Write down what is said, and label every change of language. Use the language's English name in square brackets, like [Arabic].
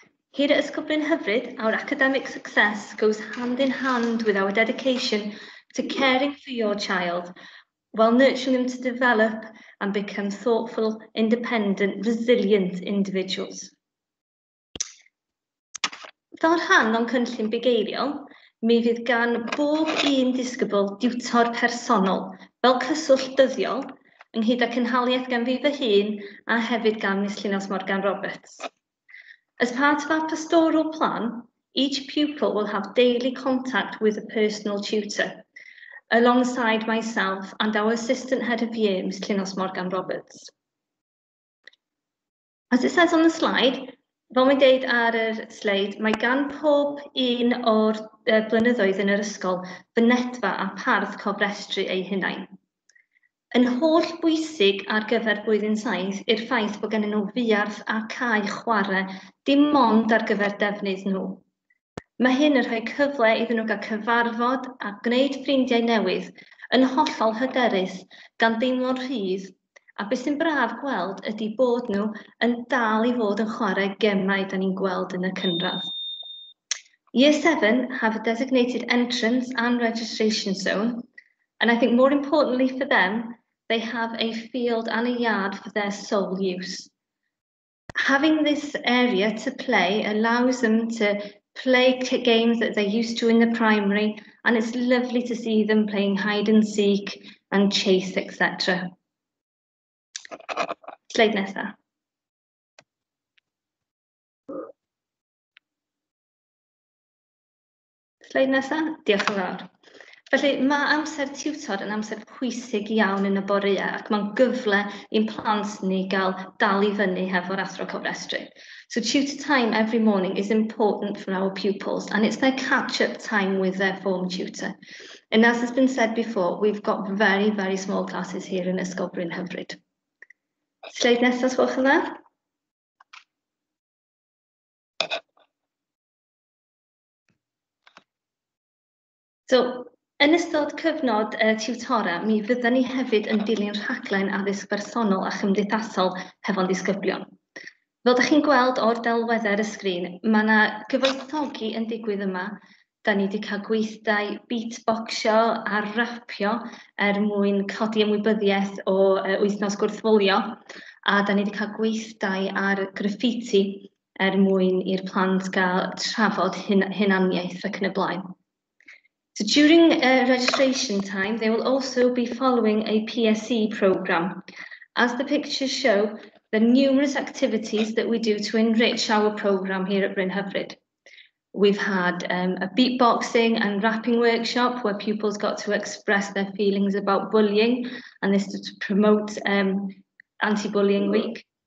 [English] Here at Ysgobryn Hyfryd, our academic success goes hand in hand with our dedication to caring for your child, while nurturing them to develop and become thoughtful, independent, resilient individuals. [Welsh] Fel rhan o'n cynllun bugeiriol, mi fydd gan bob un disgybl diwtor personol fel cyswllt dyddiol ynghyd â cynhaliaeth gan fi fy hun a hefyd gan Miss Llynas Morgan Roberts. [English] As part of our pastoral plan, each pupil will have daily contact with a personal tutor, alongside myself and our assistant head of year, Miss Llynas Morgan Roberts. As it says on the slide, [Welsh] fel mae'n deud ar y sleid, mae gan pob un o'r blynyddoedd yn yr ysgol fynedfa a parth cofrestru eu hunain. Yn holl bwysig ar gyfer blwyddyn saith yw'r ffaith bod gennyn nhw fuarth a cae chwarae dim ond ar gyfer defnydd nhw. Mae hyn yn rhoi cyfle iddyn nhw gael cyfarfod a gwneud ffrindiau newydd yn hollol hyderus gan deimlo'n rhydd, a beth sy'n braf gweld ydy bod nhw yn dal i fod yn chwarae gemau dan ni'n gweld yn y cynradd. [English] Year 7 have a designated entrance and registration zone, and I think more importantly for them, they have a field and a yard for their sole use. Having this area to play allows them to play games that they're used to in the primary, and it's lovely to see them playing hide and seek and chase, etc. [Welsh] Sleid nesaf. Sleid nesaf? Diolch yn fawr. Felly mae amser tiwtor yn amser pwysig iawn yn y boreau ac mae'n gyfle i'n plant ni gael dal i fyny hefo'r athro cofrestru. [English] So tutor time every morning is important for our pupils and it's their catch-up time with their form tutor. And as has been said before, we've got very, very small classes here in Ysgobryn Hyfryd. [Welsh] Sleid nesaf, os gwelwch yn dda? So, yn ystod cyfnod tiwtora, mi fyddwn ni hefyd yn dilyn rhaglen addysg bersonol a chymdeithasol hefo'n disgyblion. Fel ydych chi'n gweld o'r delweddau ar y sgrin, mae yna gyfoethogi yn digwydd yma. Da ni wedi cael gweithdai beatboxio a rapio er mwyn codi ymwybyddiaeth o wythnos gwrthfolio. A da ni wedi cael gweithdai ar graffiti er mwyn i'r plant gael trafod hunaniaeth ac yn y blaen. [English] So during registration time, they will also be following a PSE programme. As the pictures show, the numerous activities that we do to enrich our programme here at Bryn Hyfryd. We've had a beatboxing and rapping workshop where pupils got to express their feelings about bullying, and this to promote Anti-Bullying Week.